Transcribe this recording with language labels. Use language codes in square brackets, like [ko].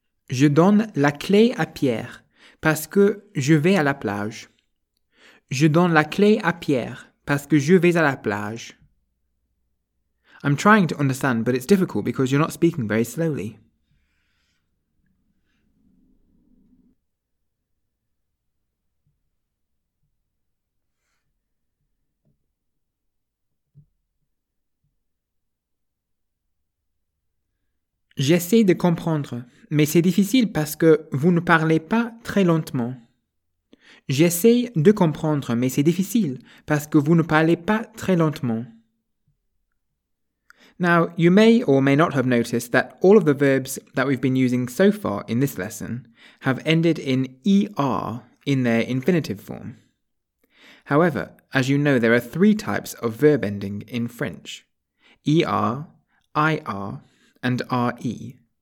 [fr] Je donne la clé à Pierre parce que je vais à la plage. Je donne la clé à Pierre parce que je vais à la plage. [en] I'm trying to understand, but it's difficult because you're not speaking very slowly. [fr] J'essaie de comprendre, mais c'est difficile parce que vous ne parlez pas très lentement. J'essaie de comprendre, mais c'est difficile parce que vous ne parlez pas très lentement. [en] Now, you may or may not have noticed that all of the verbs that we've been using so far in this lesson have ended in ER in their infinitive form. However, as you know, there are three types of verb ending in French: ER, IR, and RE.